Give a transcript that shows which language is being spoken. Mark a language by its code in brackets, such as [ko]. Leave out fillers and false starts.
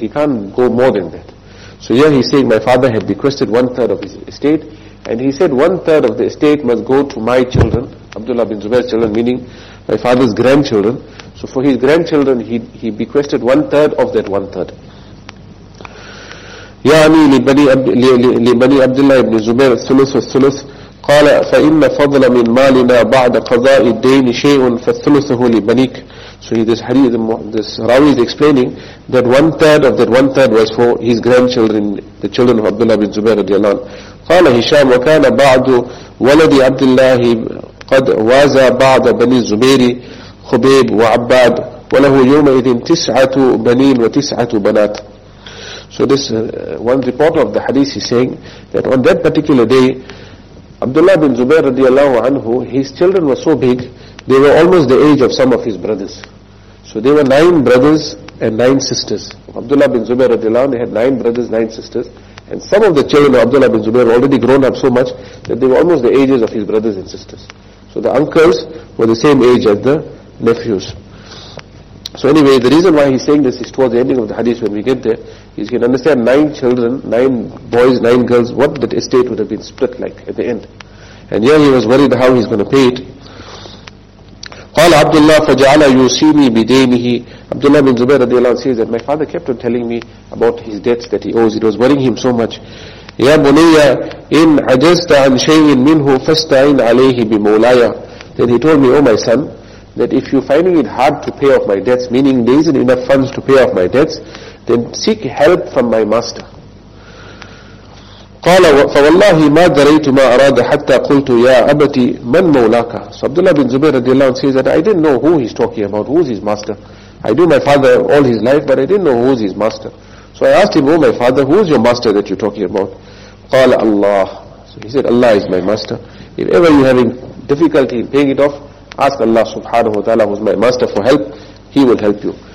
[en] He can't go more than that. So here he's saying, my father had bequested one third of his estate, and he said one third of the estate must go to my children, Abdullah bin Zubair's children, meaning my father's grandchildren. So for his grandchildren, he bequested one third of that one third. [ar] يعني لبني عبد الله بن زبير الثلث والثلث. قال فإن فضل من مالنا بعد قضاء الدين شيء فالثلثه لبنيك. [en] So this hadith, this Rawi is explaining that one third of that one third was for his grandchildren, the children of Abdullah bin Zubair radiallahu anhu. [ar] قال هشام وكان بعض ولد عبد الله قد وازى بعض بني الزبير خبيب وعباد وله يومئذ تسعة بنين وتسعة بنات. [en] So this one reporter of the hadith is saying that on that particular day, Abdullah bin Zubair radiallahu anhu, his children were so big, they were almost the age of some of his brothers. So they were 9 brothers and 9 sisters. Abdullah bin Zubair radiallahu anhu, they had 9 brothers, 9 sisters. And some of the children of Abdullah bin Zubair were already grown up so much that they were almost the ages of his brothers and sisters. So the uncles were the same age as the nephews. So anyway, the reason why he's saying this is towards the ending of the hadith when we get there, is you can understand 9 children, 9 boys, 9 girls, what that estate would have been split like at the end. And here he was worried how he's going to pay it. [ar] قال عبد الله فجعل يوصيني بدينه. [en] Abdullah bin Zubair radiallahu anhu says that my father kept on telling me about his debts that he owes. It was worrying him so much. [ar] يا بني إن عجزت عن شيء منه فاستعين عليه بمولاي. [en] Then he told me, oh my son, that if you're finding it hard to pay off my debts, meaning there isn't enough funds to pay off my debts, then seek help from my master. [ar] قال فوالله ما دريت ما أراد حتى قلت يا أبتي من مولاك. [en] So Abdullah bin Zubair radiallahu anhu says that I didn't know who he's talking about, who's his master. I knew my father all his life, but I didn't know who's his master. So I asked him, oh my father, who's your master that you're talking about? [ar] قال الله. [en] So he said, Allah is my master. If ever you're having difficulty in paying it off, ask Allah subhanahu wa ta'ala, who's my master, for help. He will help you.